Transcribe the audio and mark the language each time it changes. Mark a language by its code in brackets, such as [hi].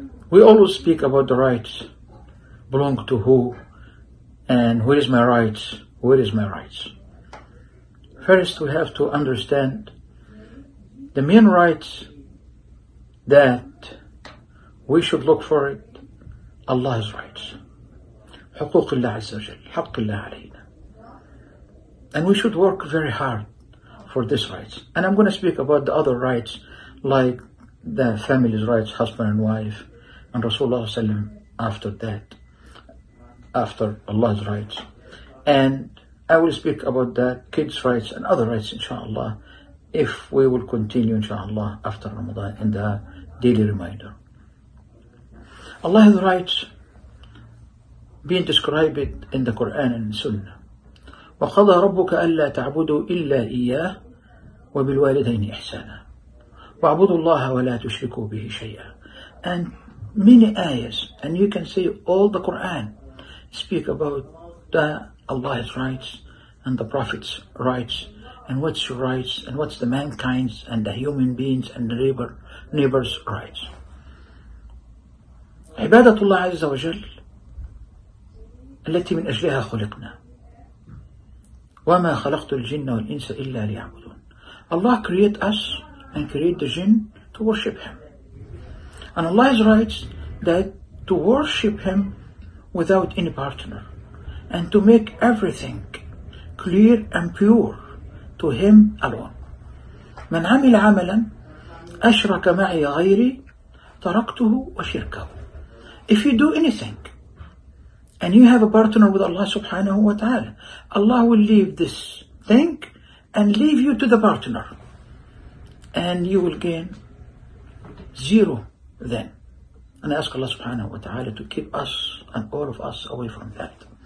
[en] We always speak about the rights, belong to who, and where is my rights, where is my rights. First, we have to understand the main rights that we should look for it, Allah's rights. [ar] حقوق الله عز وجل حق الله علينا. [en] And we should work very hard for these rights. And I'm going to speak about the other rights, like the family's rights, husband and wife, and Rasulullah SAW after that, after Allah's rights. And I will speak about the kids' rights and other rights, inshallah, if we will continue, inshallah, after Ramadan in the daily reminder. Allah's rights being described in the Quran and Sunnah. [ar] وَقَضَى رَبُّكَ أَلَّا تَعْبُدُوا إِلَّا إِيَّاهُ وَبِالْوَالِدَيْنِ إِحْسَانًا وَعْبُدُوا اللَّهَ وَلَا تُشْرِكُوا بِهِ شَيْئًا. [en] And many ayahs, and you can see all the Quran speak about the Allah's rights and the Prophet's rights and what's your rights and what's the mankind's and the human beings and the neighbor's rights. [ar] Ibadatullah Azza wa Jal التي من أجلها خلقنا وما خلقت الجن والإنس إلا ليعبدون. [en] Allah create us and create the jinn to worship him. And Allah writes that to worship him without any partner and to make everything clear and pure to him alone. [ar] من عمل عملا أشرك معي غيري تركته وشركه. [en] If you do anything and you have a partner with Allah subhanahu wa ta'ala, Allah will leave this thing and leave you to the partner. And you will gain zero then. And I ask Allah subhanahu wa ta'ala to keep us and all of us away from that.